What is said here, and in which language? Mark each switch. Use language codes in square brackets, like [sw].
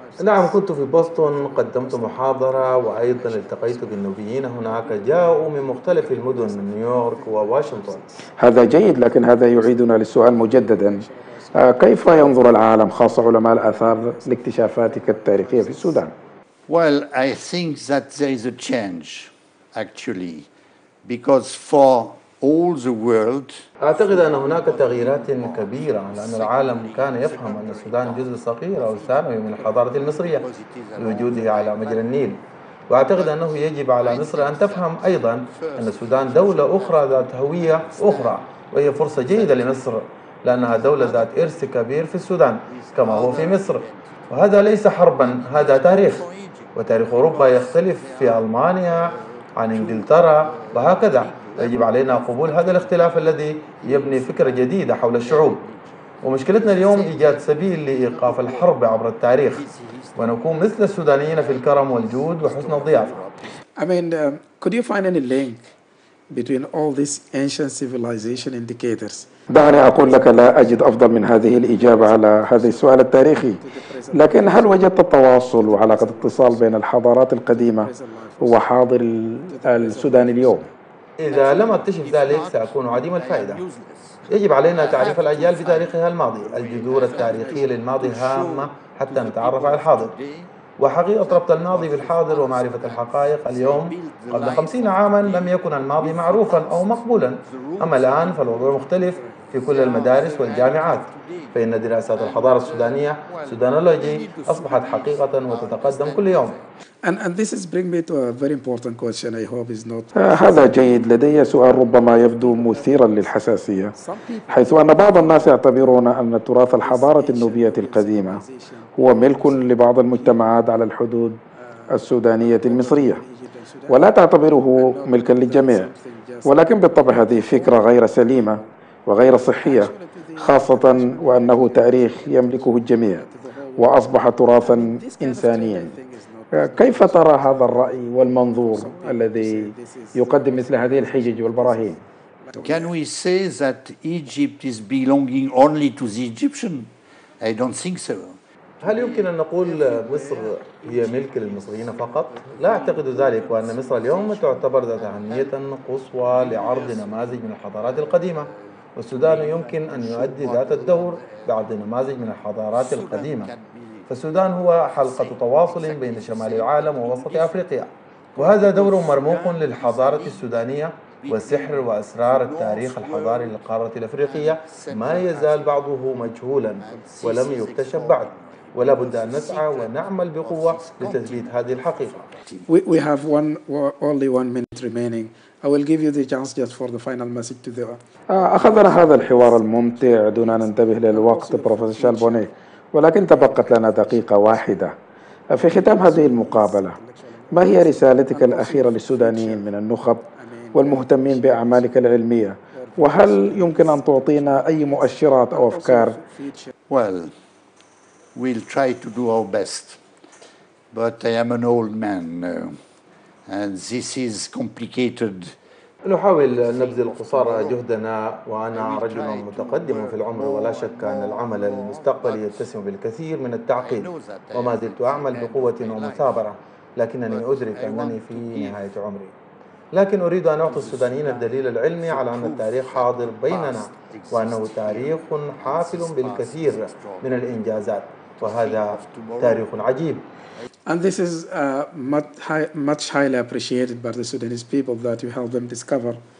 [ar] نعم، كنت في بوسطن، قدمت محاضرة، وأيضا التقيت بالنوبيين هناك، جاءوا من مختلف المدن من نيويورك وواشنطن. هذا جيد، لكن هذا يعيدنا للسؤال مجددا، كيف ينظر العالم خاصة علماء الآثار لاكتشافاتك التاريخية في السودان؟ [en] Well, I think that there is a change actually, because for all the world. [ar] أعتقد أن هناك تغييرات كبيرة، لأن العالم كان يفهم أن السودان جزء صغير أو ثانوي من الحضارة المصرية لوجوده على مجرى النيل. وأعتقد أنه يجب على مصر أن تفهم أيضا أن السودان دولة أخرى ذات هوية أخرى، وهي فرصة جيدة لمصر لأنها دولة ذات إرث كبير في السودان كما هو في مصر. وهذا ليس حربا، هذا تاريخ، وتاريخ أوروبا يختلف في ألمانيا عن إنجلترا وهكذا. يجب علينا قبول هذا الاختلاف الذي يبني فكرة جديدة حول الشعوب. ومشكلتنا اليوم إيجاد سبيل لإيقاف الحرب عبر التاريخ، ونكون مثل السودانيين في الكرم والجود وحسن الضيافة. [en] I mean, could you find any link between all these ancient civilization indicators؟ [ar] دعني أقول لك لا أجد أفضل من هذه الإجابة على هذا السؤال التاريخي، لكن هل وجدت التواصل وعلاقة اتصال بين الحضارات القديمة وحاضر السودان اليوم؟ إذا لم أكتشف ذلك سأكون عديم الفائدة. يجب علينا تعريف الأجيال بتاريخها الماضي. الجذور التاريخية للماضي هامة حتى نتعرف على الحاضر، وحقيقة ربط الماضي بالحاضر ومعرفة الحقائق اليوم. قبل 50 عاما لم يكن الماضي معروفا أو مقبولا، أما الآن فالوضوع مختلف في كل المدارس والجامعات، فإن دراسات الحضارة السودانية سودانولوجي أصبحت حقيقة وتتقدم كل يوم. [en] And this is bring me to a very important question. I hope is not. [ar] هذا جيد. لدي سؤال ربما يبدو مثيرا للحساسية، حيث أن بعض الناس يعتبرون أن تراث الحضارة النوبية القديمة هو ملك لبعض المجتمعات على الحدود السودانية المصرية، ولا تعتبره ملكا للجميع. ولكن بالطبع هذه فكرة غير سليمة وغير صحية، خاصة وأنه تاريخ يملكه الجميع وأصبح تراثا إنسانيا. كيف ترى هذا الرأي والمنظور الذي يقدم مثل هذه الحجج والبراهين؟ [en] Can we say that Egypt is belonging only to the Egyptian? I don't think so. [ar] هل يمكن أن نقول مصر هي ملك للمصريين فقط؟ لا أعتقد ذلك، وأن مصر اليوم تعتبر ذات أهمية قصوى لعرض نماذج من الحضارات القديمة، والسودان يمكن أن يؤدي ذات الدور بعد نماذج من الحضارات القديمة. فالسودان هو حلقة تواصل بين شمال العالم ووسط أفريقيا، وهذا دور مرموق للحضارة السودانية. وسحر وأسرار التاريخ الحضاري للقارة الأفريقية ما يزال بعضه مجهولا ولم يكتشف بعد، ولا بد أن نسعى ونعمل بقوة لتثبيت هذه الحقيقة. [en] We have only one minute remaining. I will give you the chance just for the final message to the. [ar] أخذنا هذا الحوار الممتع دون أن ننتبه للوقت بروفيسور شارل بوني، ولكن تبقت لنا دقيقة واحدة. في ختام هذه المقابلة، ما هي رسالتك الأخيرة للسودانيين من النخب والمهتمين بأعمالك العلمية؟ وهل يمكن أن تعطينا أي مؤشرات أو أفكار؟ Well, we'll try to do our best. But I am an old man now, and this is complicated. نحاول نبذل قصارى جهدنا، وأنا رجل متقدم في العمر ولا شك أن العمل المستقبلي يتسم بالكثير من التعقيد، وما زلت أعمل بقوة ومثابرة، لكنني أدرك أنني في نهاية عمري. لكن أريد أن أعطي السودانيين الدليل العلمي على أن التاريخ حاضر بيننا وأنه تاريخ حافل بالكثير من الإنجازات، وهذا تاريخ عجيب. [en] And this is much highly appreciated by the Sudanese people that you help them discover.